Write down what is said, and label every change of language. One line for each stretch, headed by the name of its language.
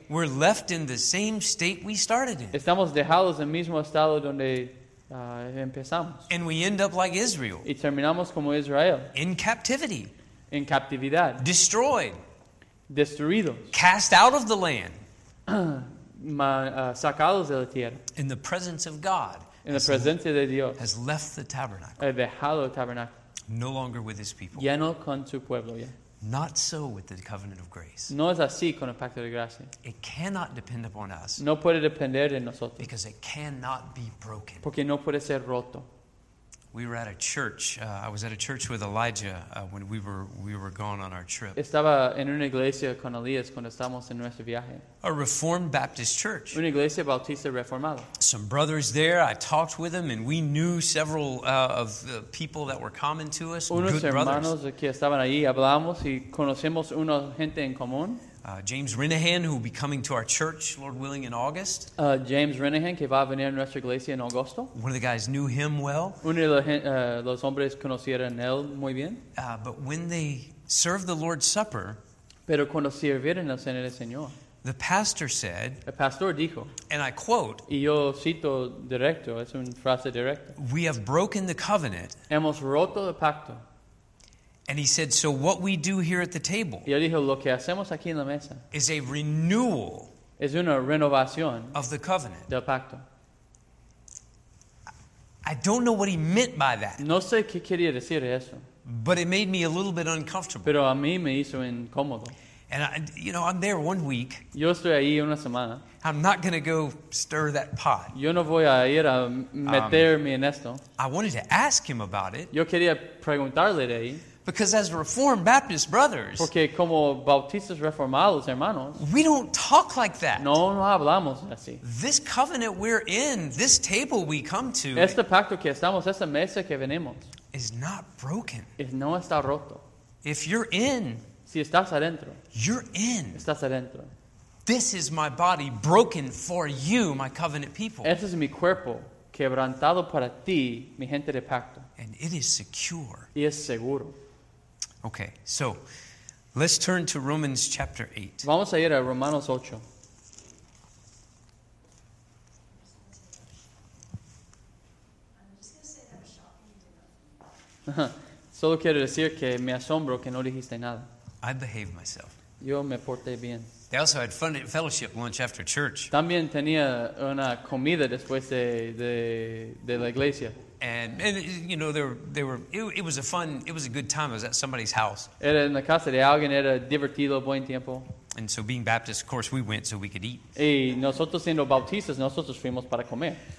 English: We're left in the same state we started in.
Spanish: Estamos dejados en el mismo estado donde empezamos.
English: And we end up like Israel.
Spanish: Y terminamos como Israel.
English: In captivity.
Spanish: En captividad.
English: Destroyed.
Spanish: Destruidos.
English: Cast out of the land.
Spanish: sacados de la tierra.
English: In the presence of God.
Spanish: En la presencia de Dios.
English: Has left the tabernacle.
Spanish: He dejado el tabernacle.
English: No longer with his people.
Spanish: Ya no con su pueblo ya.
English: Not so with the covenant of grace.
Spanish: No es así con el pacto de gracia.
English: It cannot depend upon us.
Spanish: No puede depender de nosotros.
English: Because it cannot be broken.
Spanish: Porque no puede ser roto.
English: We were at a church. I was at a church with Elijah when we were gone on our trip.
Spanish: Estaba en una iglesia con Elías cuando estábamos en nuestro viaje.
English: A Reformed Baptist church.
Spanish: Una iglesia bautista reformada.
English: Some brothers there. I talked with them, and we knew several of the people that were common to us.
Spanish: Unos
English: good
Spanish: hermanos
English: brothers.
Spanish: Que estaban allí hablamos y conocemos una gente en común.
English: James Renahan, who will be coming to our church, Lord willing, in August.
Spanish: James Renahan, que va a venir a nuestra iglesia en agosto.
English: One of the guys knew him well.
Spanish: Uno de los hombres conocieron él muy bien.
English: But when they served the Lord's Supper,
Spanish: pero cuando sirvieron la cena del Señor,
English: the pastor said,
Spanish: el pastor dijo,
English: and I quote,
Spanish: y yo cito directo, es una frase directa,
English: we have broken the covenant.
Spanish: Hemos roto el pacto.
English: And he said, so what we do here at the table,
Spanish: yo dije, lo que hacemos aquí en la mesa,
English: is a renewal,
Spanish: es una renovación
English: of the covenant,
Spanish: del pacto.
English: I don't know what he meant by that.
Spanish: No sé qué quería decir eso.
English: But it made me a little bit uncomfortable.
Spanish: Pero a mí me hizo incómodo.
English: And I, you know, I'm there 1 week.
Spanish: Yo estoy ahí una semana.
English: I'm not going to go stir that pot.
Spanish: Yo no voy a ir a meterme en esto.
English: I wanted to ask him about it.
Spanish: Yo quería preguntarle de ahí.
English: Because as Reformed Baptist brothers,
Spanish: porque como bautistas reformados, hermanos,
English: we don't talk like that.
Spanish: No, no hablamos así.
English: This covenant we're in, this table we come to,
Spanish: este pacto que estamos, esta mesa que venimos,
English: is not broken.
Spanish: Es no está roto.
English: If you're in,
Spanish: si estás adentro,
English: you're in.
Spanish: Estás adentro.
English: This is my body broken for you, my covenant people.
Spanish: Este es mi cuerpo quebrantado para ti, mi gente de pacto.
English: And it is secure.
Spanish: Y es seguro.
English: Okay, so let's turn to Romans chapter 8.
Spanish: Vamos a ir a Romanos 8. Solo quiero decir que me asombro que no dijiste nada.
English: I behaved myself.
Spanish: Yo me porté bien.
English: They also had fun at fellowship lunch after church.
Spanish: También tenía una comida después de la iglesia.
English: And you know, they were it was a good time. I was at somebody's house.
Spanish: Era en la casa de alguien, era divertido, buen tiempo.
English: And so being Baptist, of course, we went so we could eat.
Spanish: Y nosotros siendo bautistas, nosotros fuimos para comer.